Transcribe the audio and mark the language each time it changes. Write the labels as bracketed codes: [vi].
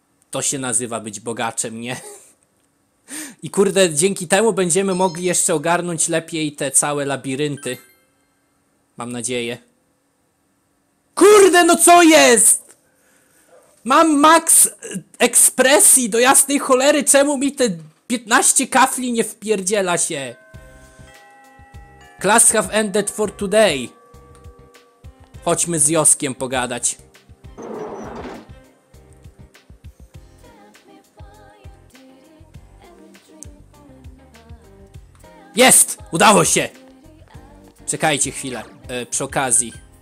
[pl] To się nazywa być bogaczem, nie? I kurde, dzięki temu będziemy mogli jeszcze ogarnąć lepiej te całe labirynty. Mam nadzieję. Kurde, no co jest? Mam max ekspresji, do jasnej cholery, czemu mi te 15 kafli nie wpierdziela się? [en] Class have ended for today. [pl] Chodźmy z Josukiem pogadać. Jest! Udało się! Czekajcie chwilę, przy okazji.